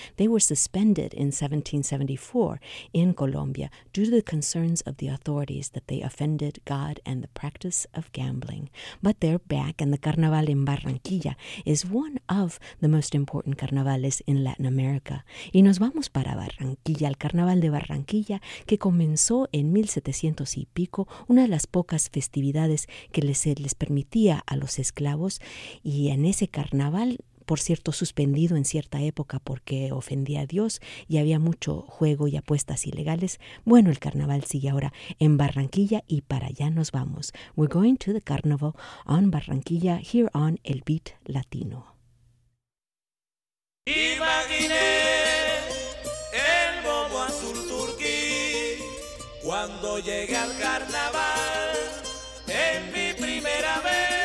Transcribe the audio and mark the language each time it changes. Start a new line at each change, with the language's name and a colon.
English: They were suspended in 1774 in Colombia due to the concerns of the authorities that they offended God and the practice of gambling. But they're back, and the Carnaval in Barranquilla is one of the most important carnavales in Latin America.
Spanish: Y nos vamos para Barranquilla, el Carnaval de Barranquilla, que comenzó en 1700 y pico, una de las pocas festividades que les permitía a los esclavos. Y en ese carnaval, por cierto, suspendido en cierta época porque ofendía a Dios y había mucho juego y apuestas ilegales. Bueno, el carnaval sigue ahora en Barranquilla y para allá nos vamos.
English: We're going to the carnival on Barranquilla, here on El Beat Latino.
Spanish: Imaginé el bobo azul turquí cuando llegué al carnaval en mi primera vez.